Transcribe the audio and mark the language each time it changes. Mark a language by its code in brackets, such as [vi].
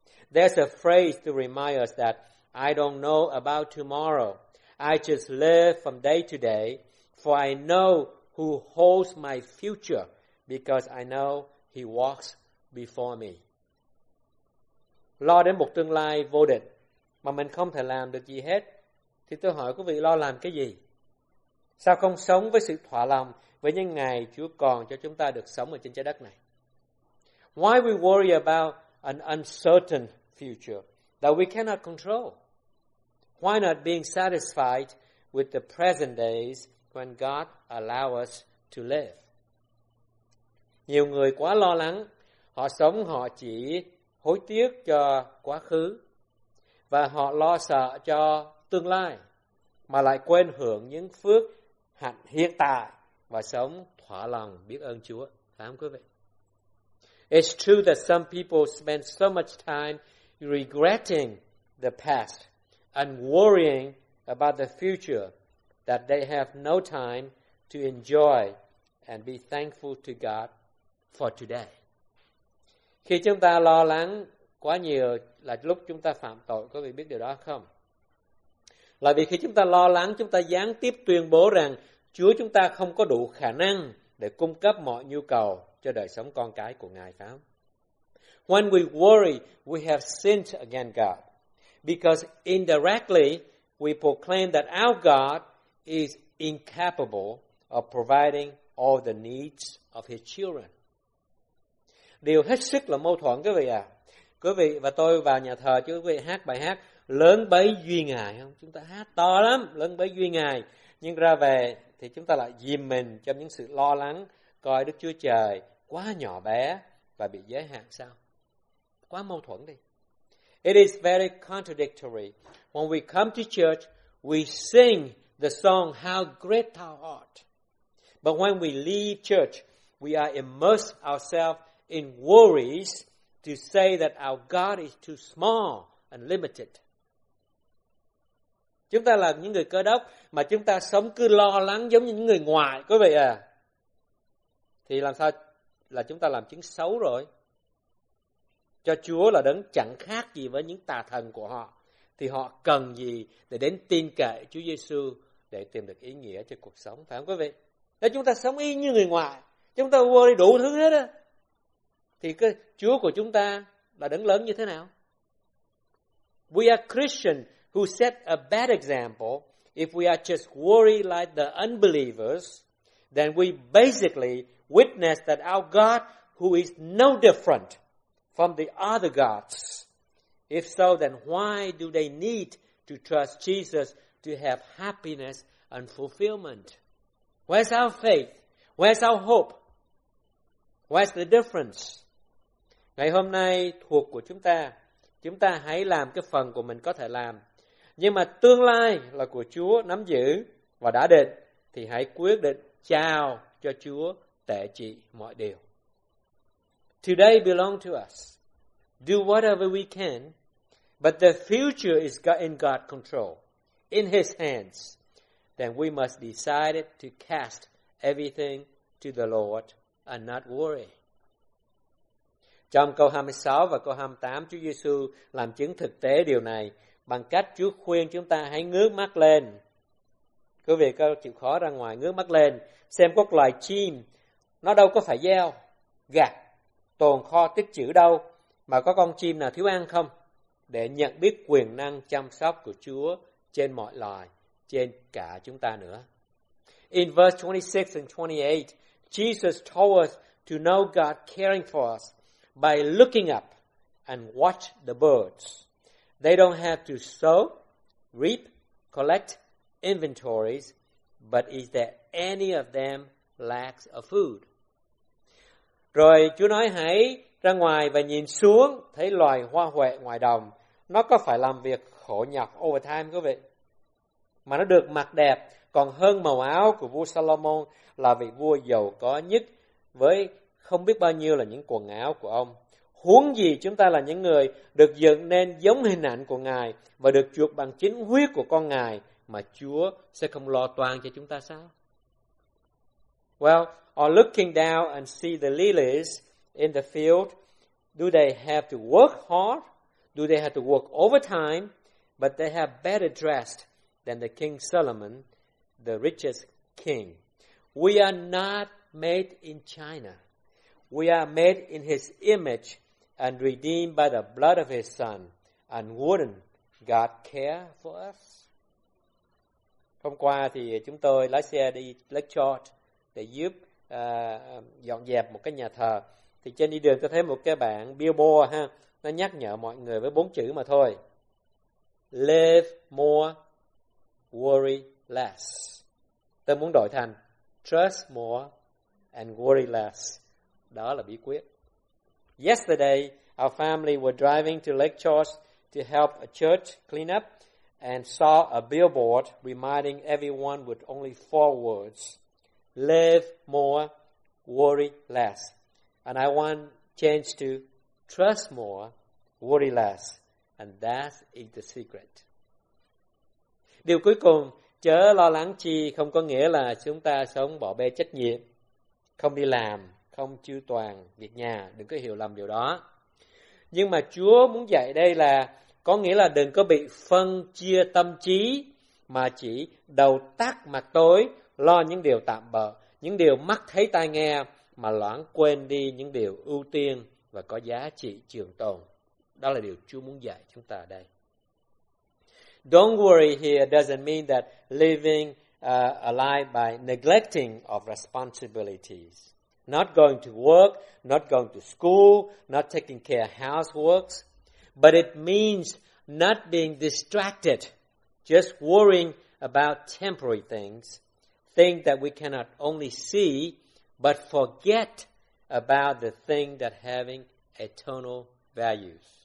[en] There's a phrase to remind us that I don't know about tomorrow. I just live from day to day, for I know who holds my future, because I know he walks before me. [vi] Lo đến một tương lai vô định mà mình không thể làm được gì hết, thì tôi hỏi quý vị lo làm cái gì? Sao không sống với sự thỏa lòng với những ngày Chúa còn cho chúng ta được sống ở trên trái đất này? [en] Why we worry about an uncertain future that we cannot control? Why not being satisfied with the present days when God allows us to live? [vi] Nhiều người quá lo lắng, họ sống họ chỉ hối tiếc cho quá khứ và họ lo sợ cho tương lai mà lại quên hưởng những phước hạnh hiện tại và sống thỏa lòng biết ơn Chúa, phải không quý vị? [en] It's true that some people spend so much time regretting the past and worrying about the future that they have no time to enjoy and be thankful to God for today. [vi] Khi chúng ta lo lắng quá nhiều là lúc chúng ta phạm tội, có biết điều đó không? Là vì khi chúng ta lo lắng, chúng ta gián tiếp tuyên bố rằng Chúa chúng ta không có đủ khả năng để cung cấp mọi nhu cầu cho đời sống con cái của Ngài, phải không? [en] When we worry, we have sinned against God, because indirectly we proclaim that our God is incapable of providing all the needs of his children. [vi] Điều hết sức là mâu thuẫn, quý vị à. Quý vị và tôi vào nhà thờ, chứ quý vị hát bài hát lớn bấy duy Ngài không? Chúng ta hát to lắm, lớn bấy duy Ngài. Nhưng ra về thì chúng ta lại dìm mình trong những sự lo lắng, coi Đức Chúa Trời quá nhỏ bé và bị giới hạn sao? Quá mâu thuẫn đi. [en] It is very contradictory. When we come to church, we sing the song How Great Thou Art. But when we leave church, we are immersed ourselves in worries to say that our God is too small and limited. [vi] Chúng ta là những người Cơ Đốc mà chúng ta sống cứ lo lắng giống như những người ngoại, quý vị à. Thì làm sao là chúng ta làm chứng xấu rồi. Cho Chúa là đấng chẳng khác gì với những tà thần của họ, thì họ cần gì để đến tin cậy Chúa Giê-xu để tìm được ý nghĩa cho cuộc sống, phải không quý vị? Nếu chúng ta sống y như người ngoại, chúng ta worry đủ thứ hết á, thì cái Chúa của chúng ta là đấng lớn như thế nào? [en] We are Christians who set a bad example if we are just worried like the unbelievers, then we basically witness that our God, who is no different from the other gods. If so, then why do they need to trust Jesus to have happiness and fulfillment? Where's our faith? Where's our hope? What's the difference? [vi] Ngày hôm nay thuộc của chúng ta. Chúng ta hãy làm cái phần của mình có thể làm. Nhưng mà tương lai là của Chúa nắm giữ và đã định, thì hãy quyết định trao cho Chúa tể trị mọi điều. [en] Today belong to us. Do whatever we can. But the future is in God's control, in His hands. Then we must decide to cast everything to the Lord and not worry. [vi] Trong câu 26 và câu 28, Chúa Giêsu làm chứng thực tế điều này bằng cách Chúa khuyên chúng ta hãy ngước mắt lên. Quý vị có chịu khó ra ngoài ngước mắt lên xem các loài chim, nó đâu có phải gieo, gặt, tồn kho tích trữ đâu, mà có con chim nào thiếu ăn không? Để nhận biết quyền năng chăm sóc của Chúa trên mọi loài, trên cả chúng ta nữa. [en] In verse 26 and 28, Jesus told us to know God caring for us by looking up and watch the birds. They don't have to sow, reap, collect inventories, but is there any of them lacks of food? [vi] Rồi Chúa nói hãy ra ngoài và nhìn xuống, thấy loài hoa huệ ngoài đồng. Nó có phải làm việc khổ nhọc overtime quý vị? Mà nó được mặc đẹp còn hơn màu áo của vua Solomon, là vị vua giàu có nhất, với không biết bao nhiêu là những quần áo của ông. Huống gì chúng ta là những người được dựng nên giống hình ảnh của Ngài và được chuộc bằng chính huyết của con Ngài, mà Chúa sẽ không lo toan cho chúng ta sao? [en] Well, on looking down and see the lilies in the field, do they have to work hard? Do they have to work overtime? But they have better dressed than the King Solomon, the richest king. We are not made in China. We are made in His image and redeemed by the blood of His Son. And wouldn't God care for us? [vi] Hôm qua thì chúng tôi lái xe đi Blackchurch để giúp dọn dẹp một cái nhà thờ. Thì trên đi đường tôi thấy một cái bảng billboard ha. Nó nhắc nhở mọi người với bốn chữ mà thôi. [en] Live more, worry less. [vi] Tôi muốn đổi thành [en] trust more and worry less. [vi] Đó là bí quyết. [en] Yesterday, our family were driving to Lake Charles to help a church clean up and saw a billboard reminding everyone with only four words. Live more, worry less. And I want change to trust more, worry less. And that is the secret. [vi] Điều cuối cùng, chớ lo lắng chi không có nghĩa là chúng ta sống bỏ bê trách nhiệm, không đi làm, không chu toàn việc nhà. Đừng có hiểu lầm điều đó. Nhưng mà Chúa muốn dạy đây là có nghĩa là đừng có bị phân chia tâm trí, mà chỉ đầu tắt mặt tối, lo những điều tạm bợ, những điều mắt thấy tai nghe, mà loãng quên đi những điều ưu tiên và có giá trị trường tồn. Đó là điều Chúa muốn dạy chúng ta đây. [en] Don't worry here doesn't mean that living a life by neglecting of responsibilities. Not going to work, not going to school, not taking care of housework. But it means not being distracted, just worrying about temporary things, things that we cannot only see, but forget about the thing that having eternal values.